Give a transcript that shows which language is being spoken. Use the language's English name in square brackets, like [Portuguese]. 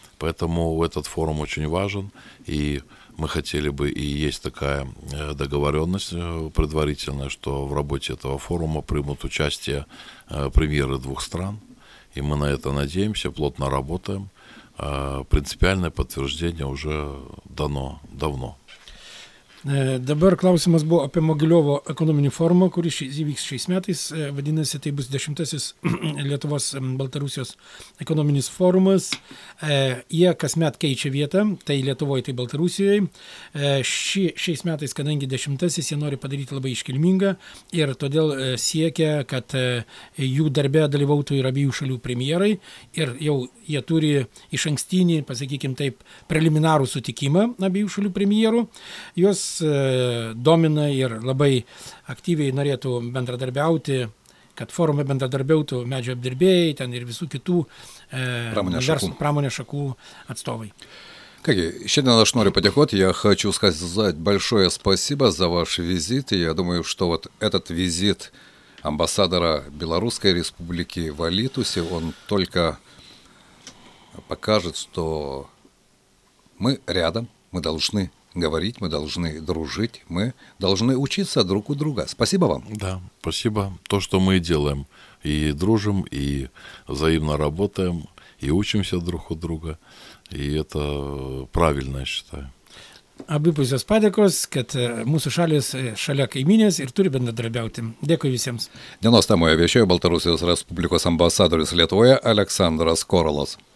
[Russian] Поэтому этот форум очень важен. И мы хотели бы, и есть такая договоренность предварительная, что в работе этого форума примут участие премьеры двух стран. И мы на это надеемся, плотно работаем. Принципиальное подтверждение уже дано давно. [Lithuanian] Dabar klausimas buvo apie Mogiliovo ekonominį forumą, kuris įvyks šiais metais, vadinasi, tai bus 10-asis Lietuvos Baltarusijos ekonominis forumas. Jie kasmet keičia vietą, tai Lietuvoje, tai Baltarusijoje. Šiais metais, kadangi 10-asis, jie nori padaryti labai iškilmingą ir todėl siekia, kad jų darbe dalyvautų ir abiejų šalių premjerai ir jau jie turi iš ankstinį, pasakykime taip, preliminarų sutikimą abiejų šalių premjerų. Jos domina ir labai aktyviai norėtų bendradarbiauti, kad forume bendradarbiautų medžio apdirbėjai, ten ir visų kitų pramonės šakų atstovai. Kągi, šiandien aš noriu padėkoti, [Russian] ja хочу сказать большое спасибо за ваш визит, и я думаю, что вот этот визит амбассадора Белорусской Республики в Алитусе, он только покажет, что мы рядом, мы должны говорить, мы должны дружить, мы должны учиться друг у друга. Спасибо вам. Да, спасибо. То, что мы делаем, и дружим, и взаимно работаем, и учимся друг у друга, и это правильно, я считаю. [Lithuanian] Abipusios padėkos, kad mūsų šalis šalia kaiminės ir turi bendradarbiauti. Dėkui visiems. Dienos temoje viešėjo Baltarusijos Respublikos ambasadorius Lietuvoje Aleksandras Korolas.